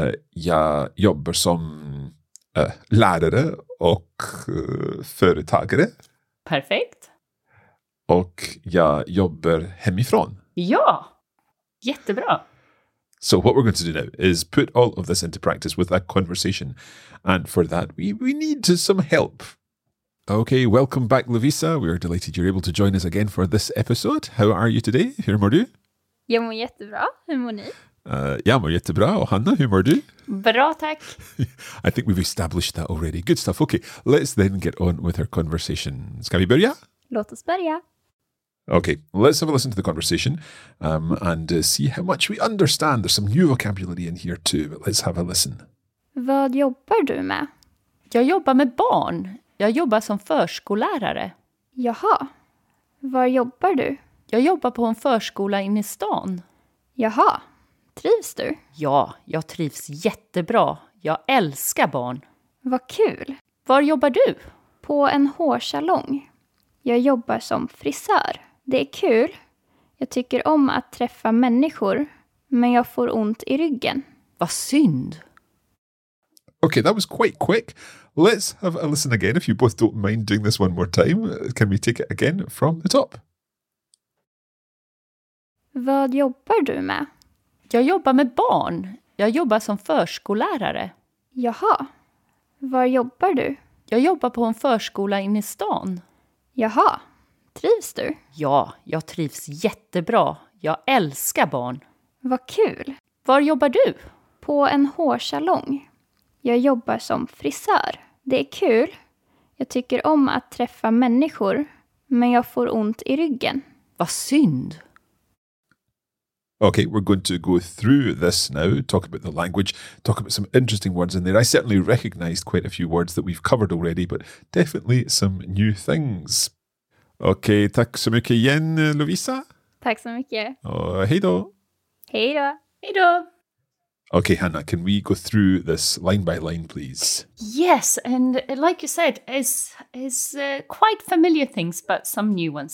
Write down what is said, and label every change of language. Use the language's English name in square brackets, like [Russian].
[Swedish] Jag jobbar som lärare och företagare. Perfekt. Och jag jobbar hemifrån. Ja, jättebra. [English] So what we're going to do now is put all of this into practice with a conversation. And for that, we need some help. Okay, welcome back, Lovisa. We are delighted you're able to join us again for this episode. How are you today? [Swedish] Hur mår du? Jag mår jättebra. Hur mår ni? Jag mår jättebra. Och Hanna, hur mår du? Bra, tack. [English] I think we've established that already. Good stuff. Okay, let's then get on with our conversation. [Swedish] Ska vi börja? Låt oss börja. [English] Okay, let's have a listen to the conversation and see how much we understand. There's some new vocabulary in here too, but let's have a listen. [Swedish] Vad jobbar du med? Jag jobbar med barn. Jag jobbar som förskollärare. Jaha, var jobbar du? Jag jobbar på en förskola inne i stan. Jaha, trivs du? Ja, jag trivs jättebra. Jag älskar barn. Vad kul. Var jobbar du? På en hårsalong. Jag jobbar som frisör. Det är kul. Jag tycker om att träffa människor, men jag får ont i ryggen. Vad synd. [English] Okay, that was quite quick. Let's have a listen again. If you both don't mind doing this one more time, can we take it again from the top? [Swedish] Vad jobbar du med? Jag jobbar med barn. Jag jobbar som förskollärare. Jaha. Var jobbar du? Jag jobbar på en förskola inne i stan. Jaha, trivs du? Ja, jag trivs jättebra. Jag älskar barn. Vad kul. Var jobbar du? På en hårsalong. Jag jobbar som frisör. Det är kul. Jag tycker om att träffa människor, men jag får ont i ryggen. Vad synd. [English] Okay, we're going to go through this now, talk about the language, talk about some interesting words in there. I certainly recognized quite a few words that we've covered already, but definitely some new things. [Swedish] Okay, tack så mycket igen, Lovisa. Tack så mycket. Och hej då. Hej då. Hej då. [English] Okay, Hanna, can we go through this line by line, please? Yes, and like you said, it's quite familiar things, but some new ones.